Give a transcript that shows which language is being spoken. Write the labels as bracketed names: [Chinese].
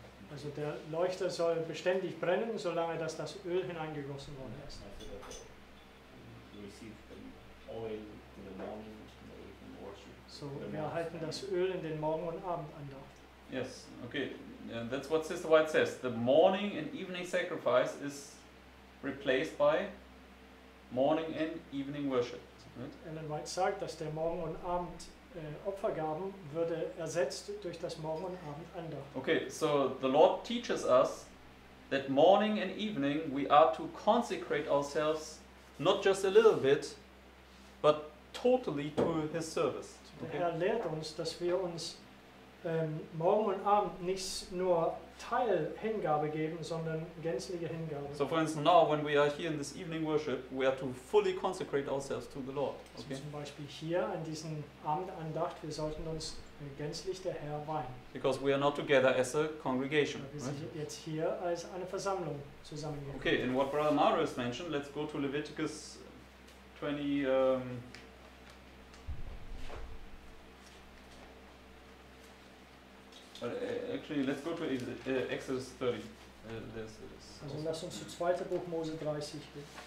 [German] Also der Leuchter soll beständig brennen, solange dass das Öl hineingegossen worden ist. [English] Also that they receive the oil in the morning and they can worship. [German] So wir erhalten das Öl in den Morgen- und Abendandacht. [English] Yes, okay. And that's what Sister White says. The morning and evening sacrifice is replaced by morning and evening worship. Right? [German] Ellen White sagt, dass der Morgen- und Abend Opfergaben würde ersetzt durch das Morgen- und Abendandacht. [English] Okay, so the Lord teaches us that morning and evening we are to consecrate ourselves not just a little bit, but totally to his service. Okay? [German] Der Herr lehrt uns, dass wir uns Morgen und Abend nicht nur Teilhingabe geben, sondern gänzliche Hingabe. [English] So for instance, now when we are here in this evening worship, we are to fully consecrate ourselves to the Lord. Okay? [German] So zum Beispiel hier an diesem Abendandacht, wir sollten uns gänzlich der Herr weihen. [English] Because we are not together as a congregation. [German] Wir sind jetzt hier als eine Versammlung zusammengekommen. [English] Okay, in what Brother Marius mentioned, let's go to Leviticus 20... actually, let's go to Exodus 30. [German] Also, lass uns zu 2. Buch Mose 30 gehen.